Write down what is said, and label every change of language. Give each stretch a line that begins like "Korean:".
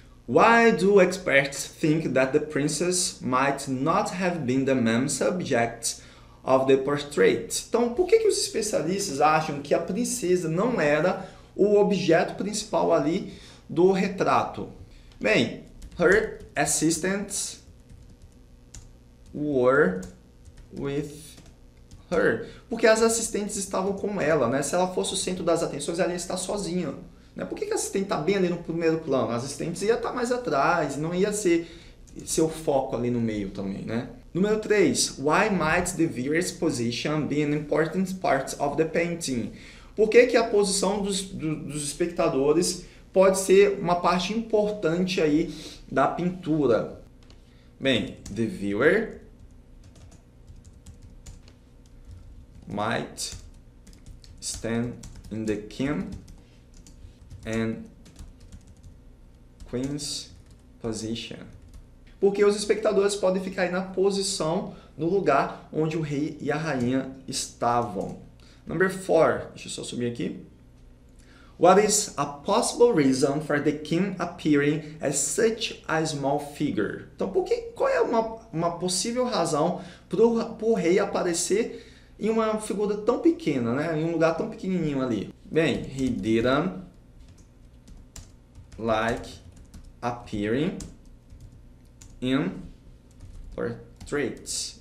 English: Why do experts think that the princess might not have been the main subject of the portrait?
Portuguese: Então, por que os especialistas acham que a princesa não era o objeto principal ali do retrato?
English: Bem, her assistants were with her.
Portuguese: Porque as assistentes estavam com ela, né? Se ela fosse o centro das atenções, ela ia estar sozinha. Por que a assistente está bem ali no primeiro plano? A assistente ia estar mais atrás, não ia ser seu foco ali no meio também, né? Número 3.
English: Why might the viewer's position be an important part of the painting?
Portuguese: Por que a posição dos espectadores pode ser uma parte importante aí da pintura?
English: Bem, the viewer might stand in the kin and queen's position.
Portuguese: Porque os espectadores podem ficar aí na posição, no lugar onde o rei e a rainha estavam.
English: Number 4,
Portuguese: deixa eu só subir aqui.
English: What is a possible reason for the king appearing as such a small figure?
Portuguese: Então, qual é uma possível razão para o rei aparecer em uma figura tão pequena, né? Em um lugar tão pequenininho ali? Bem,
English: he didn't like appearing in portraits.